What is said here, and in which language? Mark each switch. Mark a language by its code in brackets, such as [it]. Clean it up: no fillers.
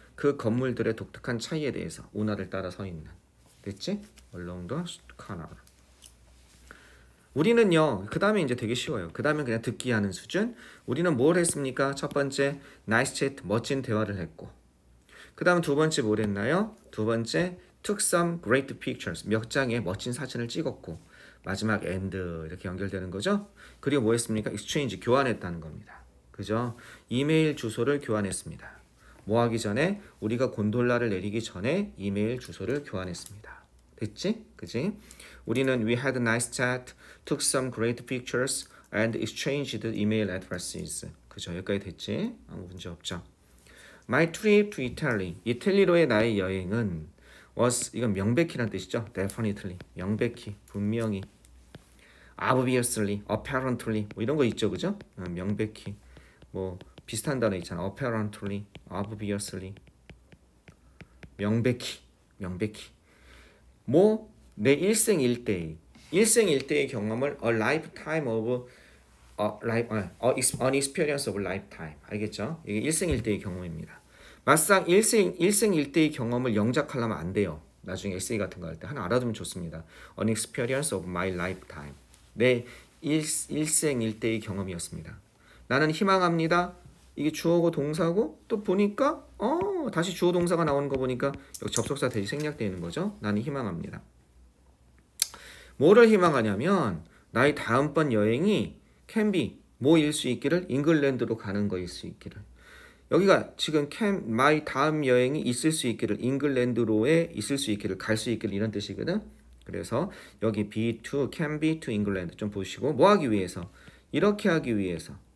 [ko] 그 건물들의 독특한 차이에 대해서 운하를 따라 서 있는 됐지? [en] along the canal [ko] 우리는요 그 다음에 이제 되게 쉬워요. 그 다음에 그냥 듣기 하는 수준 우리는 뭘 했습니까? 첫 번째 [en] nice chat [ko] 멋진 대화를 했고 그 다음 두 번째 뭘 했나요? 두 번째 [en] took some great pictures. [ko] 몇 장의 멋진 사진을 찍었고 마지막 end 이렇게 연결되는 거죠. 그리고 뭐 했습니까? exchange 교환했다는 겁니다. 그죠? 이메일 주소를 교환했습니다. 뭐 하기 전에? 우리가 곤돌라를 내리기 전에 이메일 주소를 교환했습니다. 됐지? 그지? 우리는 [en] we had a nice chat, took some great pictures, and exchanged email addresses. [ko] 그죠? 여기까지 됐지? 아무 문제 없죠? [en] My trip to Italy. [ko] 이탈리아로의 나의 여행은 was, 이건 명백히란 뜻이죠? definitely. 명백히, 분명히. [en] obviously, apparently. [ko] 뭐 이런 거 있죠? 그죠? 명백히. 뭐 비슷한 단어 있잖아. [en] apparently, obviously. [ko] 명백히, 명백히. 뭐? 내 일생일대의 일생일대의 경험을 [en] a lifetime of an experience of a lifetime. [ko] 알겠죠? 이게 일생일대의 경험입니다. 막상 일생일대의 경험을 영작하려면 안 돼요. 나중에 에세이 같은 거 할 때 하나 알아두면 좋습니다. [en] an experience of my lifetime. [ko] 내 일생일대의 경험이었습니다. 나는 희망합니다. 이게 주어고 동사고 또 보니까 다시 주어 동사가 나오는 거 보니까 여기 접속사 대신 생략되어 있는 거죠. 나는 희망합니다. 뭐를 희망하냐면 나의 다음번 여행이 can be 뭐일 수 있기를 잉글랜드로 가는 거일 수 있기를 여기가 지금 can my 다음 여행이 있을 수 있기를 잉글랜드로에 있을 수 있기를 갈 수 있기를 이런 뜻이거든 그래서 여기 [en] be to can be to [ko] 잉글랜드 좀 보시고 뭐 하기 위해서 이렇게 하기 위해서